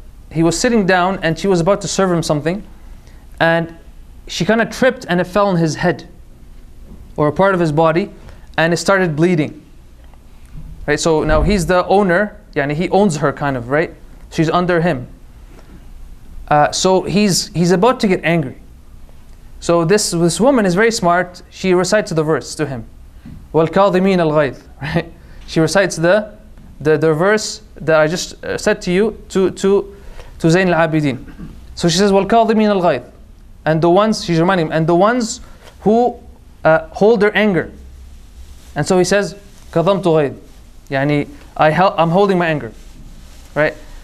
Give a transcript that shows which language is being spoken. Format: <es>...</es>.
<en>He was sitting down and she was about to serve him something, and she kind of tripped and it fell on his head or a part of his body, and it started bleeding. Right, so now he's the owner, he owns her kind of, right? She's under him. So he's about to get angry. So this woman is very smart. She recites the verse to him.</en> <ar>وَالْكَاظِمِينَ الْغَيْضِ, right?</ar> <en>She recites the verse that I just said to you to Zain al-Abidin. So she says,</en> <ar>وَالْكَاظِمِينَ الْغَيْضِ,</ar> <en>and the ones, she's reminding him, and the ones who hold their anger. And so he says,</en> <ar>كَظَمْتُ غَيْضِ,</ar> <en>I'm holding my anger, right?</en>